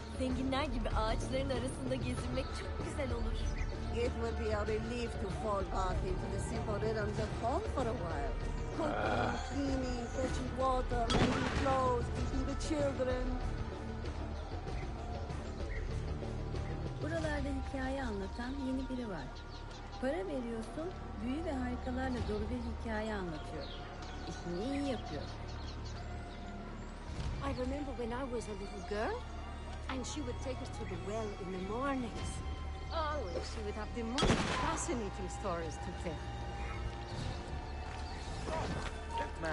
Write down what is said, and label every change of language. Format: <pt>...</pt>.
<tr>Zenginler gibi ağaçların arasında gezinmek çok güzel olur.</tr> <en>It would be a relief to fall back into the simple rhythms of home for a while. Cleaning, fetching water, making clothes, feeding the children.</en> <tr>Buralar Dışarıda hikaye anlatan yeni biri var. Para veriyorsun, büyü ve harikalarla dolu bir hikaye anlatıyor. İşini iyi yapıyor.</tr> <en>I remember when I was a little girl, and she would take us to the well in the mornings. Always she would have the most fascinating stories to tell.</en>